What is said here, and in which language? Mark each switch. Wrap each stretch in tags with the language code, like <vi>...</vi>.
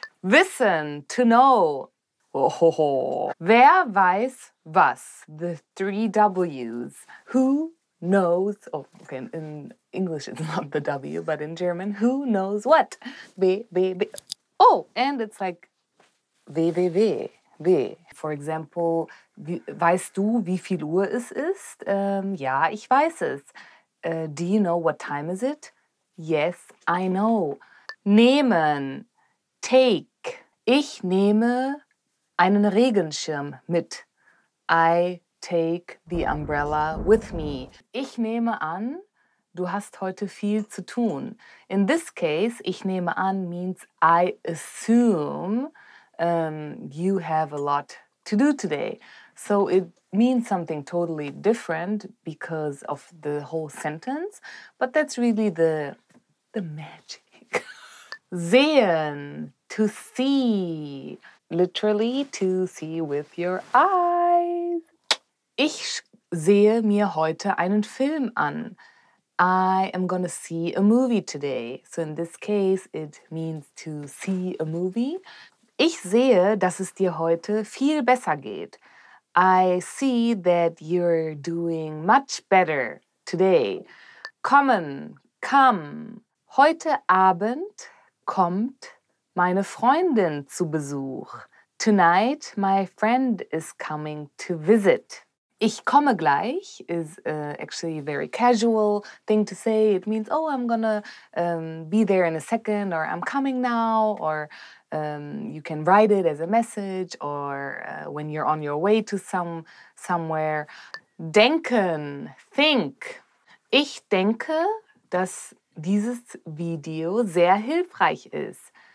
<en>Wissen, to know. Oh, ho, ho.</en> <de>Wer weiß was?</de> <en>The three W's. Who knows? Oh, okay, in English it's not the W, but in German, who knows what? B, B, B. Oh, and it's like W, W, W, W. For example,</en> <de>weißt du, wie viel Uhr es ist? Ja, ich weiß es.</de> <en>Do you know what time is it? Yes, I know. Nehmen, take.</en> <de>Ich nehme einen Regenschirm mit.</de> <en>I take the umbrella with me.</en> <de>Ich nehme an, du hast heute viel zu tun.</de> <en>In this case,</en> <de>ich nehme an</de> <en>means I assume you have a lot to do today. So it means something totally different because of the whole sentence, but that's really the magic. Sehen, to see. Literally, to see with your eyes.</en> <de>Ich sehe mir heute einen Film an.</de> <en>I am gonna see a movie today. So in this case, it means to see a movie.</en> <de>Ich sehe, dass es dir heute viel besser geht.</de> <en>I see that you're doing much better today.</en> <de>Kommen, come. Heute Abend kommt meine Freundin zu Besuch.</de> <en>Tonight my friend is coming to visit.</en> <de>Ich komme gleich</de> <en>is actually a very casual thing to say. It means, oh, I'm gonna be there in a second, or I'm coming now, or you can write it as a message, or when you're on your way to somewhere. Denken, think.</en> <de>Ich denke, dass dieses Video sehr hilfreich ist.</de>